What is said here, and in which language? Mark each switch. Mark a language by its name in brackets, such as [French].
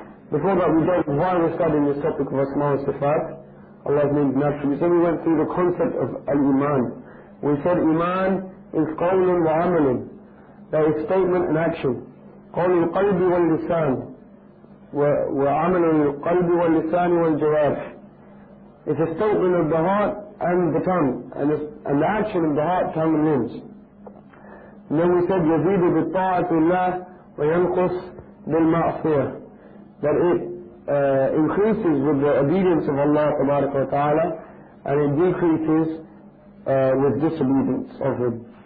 [English] Before that we dealt with why we're studying this topic of Asma wa Sifat, Allah's name naturally. So we went through the concept of Al-Iman. We said Iman is [Arabic] qawlun wa amalun, [English] that is statement and action. [Arabic] قول القلب واللسان وعمل القلب واللسان والجوارح. [English] It's a statement of the heart and the tongue, and the action of the heart, tongue and limbs. And then we said [Arabic] يزيد بالطاعة لله وينقص بالمعصية, [English] that it increases with the obedience of Allah [Arabic] تبارك وتعالى [English] and it decreases with disobedience of Him.